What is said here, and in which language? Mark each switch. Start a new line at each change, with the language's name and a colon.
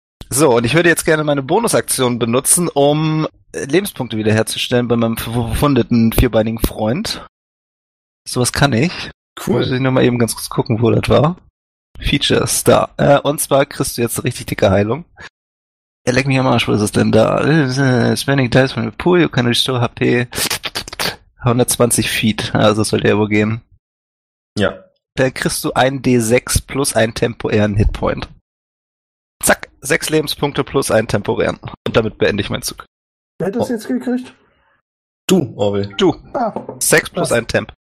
German: So, und ich würde jetzt gerne meine Bonusaktion benutzen, um Lebenspunkte wiederherzustellen bei meinem verwundeten vierbeinigen Freund. Sowas kann ich. Cool. Muss ich nur mal eben ganz kurz gucken, wo das war. Features, da. Und zwar kriegst du jetzt eine richtig dicke Heilung. Er leckt mich am Arsch, wo ist es denn da?
English: Spending dice from the pool, you can restore HP 120 feet.
German: Also das sollte ja wohl gehen. Ja. Dann kriegst du ein D6 plus einen temporären Hitpoint. Zack, 6 Lebenspunkte plus einen temporären. Und damit beende ich meinen Zug. Wer hat das jetzt gekriegt? Du, Orwell. Du. 6 plus ein Temp.